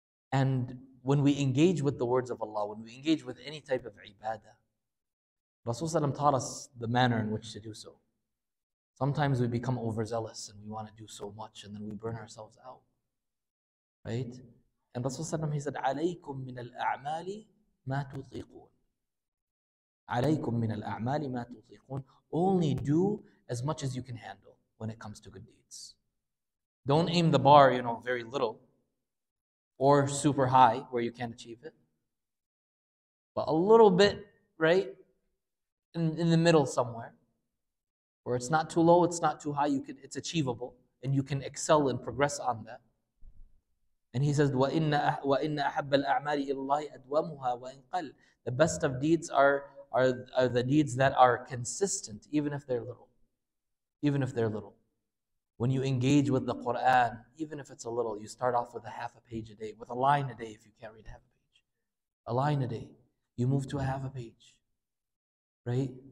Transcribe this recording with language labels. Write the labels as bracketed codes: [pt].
[en] And when we engage with the words of Allah, when we engage with any type of ibadah, Rasulullah taught us the manner in which to do so. Sometimes we become overzealous and we want to do so much and then we burn ourselves out. Right? And Rasulullah, he said, [ar] عَلَيْكُمْ مِنَ الْأَعْمَالِ مَا تُطِيقُونَ. عَلَيْكُمْ مِنَ الْأَعْمَالِ مَا تُطِيقُونَ. [en] Only do as much as you can handle when it comes to good deeds. Don't aim the bar, very little. Or super high, where you can't achieve it. But a little bit, right? In the middle somewhere. Where it's not too low, it's not too high, it's achievable. And you can excel and progress on that. And he says, [ar] وَإِنَّ أَحَبَّ الْأَعْمَالِ إِلَّهِ أَدْوَمُهَا وَإِنْ قَلْ. [en] The best of deeds are the deeds that are consistent, even if they're little. Even if they're little. When you engage with the Qur'an, even if it's a little, you start off with a half a page a day, with a line a day if you can't read a half a page. A line a day. You move to a half a page. Right?